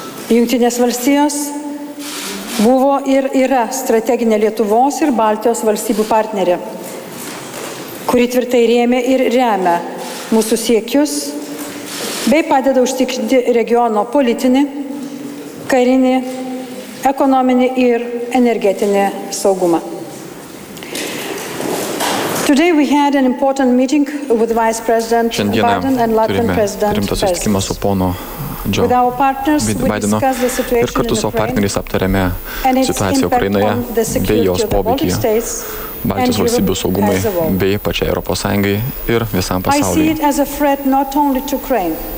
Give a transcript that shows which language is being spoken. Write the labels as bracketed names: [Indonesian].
[Lithuanian] Jungtinės valstijos buvo ir yra strateginė Lietuvos ir Baltijos valstybių partnerė, kuri tvirtai rėmė ir remia mūsų siekius, bei padeda užtikrinti regiono politinį, karinį, ekonominį ir energetinį saugumą. [English] Today we had an important meeting with Vice President Biden and Latvian President Fico. [Lithuanian] Šiandieną turime rimtą susitikimą su pono Džo Bideno ir kartu su partneriais aptarėme situaciją Ukrainoje bei jos poveikį Baltijos valstybių saugumai bei pačiai Europos Sąjungai ir visam pasauliui.